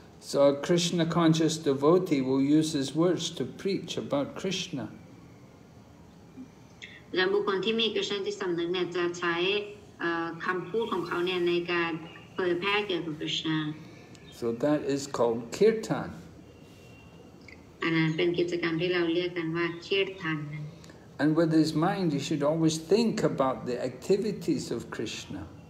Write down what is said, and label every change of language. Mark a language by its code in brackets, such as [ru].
[en] So a Krishna conscious devotee will use his words to preach about Krishna. [th] และบุคคลที่มีกระแสจิตสำนึกเนี่ยจะใช้คำพูดของเขาเนี่ยในการเผยแพร่เกี่ยวกับคริสต์ [en] So that is called kirtan [th] อันนั้นเป็นกิจกรรมที่เราเรียกกันว่าคีร์ทัน [en] And with his mind he should always think about the activities of Krishna